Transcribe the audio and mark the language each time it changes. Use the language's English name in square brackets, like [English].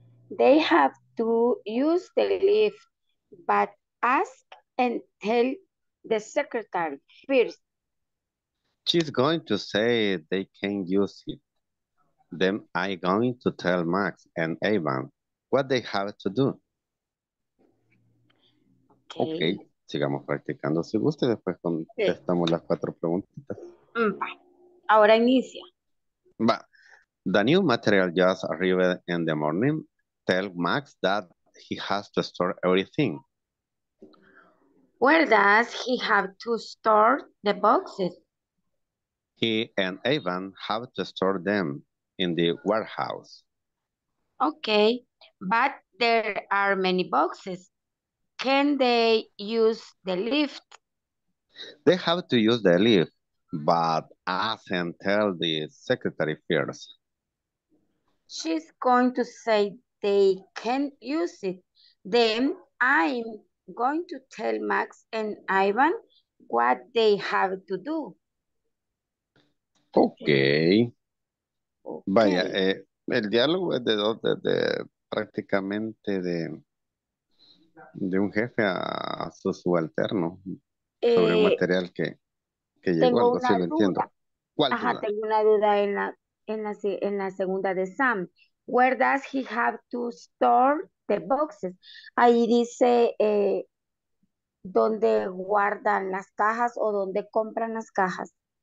[English] They have to use the lift, but ask and tell the secretary first. She's going to say they can use it. Then I'm going to tell Max and Avon what they have to do. Okay. Okay. [Spanish] Sigamos practicando si gusta y después contestamos las cuatro preguntitas. Ahora inicia. Va. [English] The new material just arrived in the morning. Tell Max that he has to store everything. Where does he have to store the boxes? He and Ivan have to store them in the warehouse. Okay, but there are many boxes. Can they use the lift? They have to use the lift, but ask and tell the secretary first. She's going to say they can use it. Then I'm going to tell Max and Ivan what they have to do. Okay. [Spanish] Vaya, el diálogo es de prácticamente de un jefe a su subalterno sobre un material que llegó, algo así lo entiendo. ¿Cuál duda? Tengo una duda en la segunda de Sam. [English] Where does he have to store the boxes? [Spanish] Ahí dice dónde guardan las cajas o dónde compran las cajas.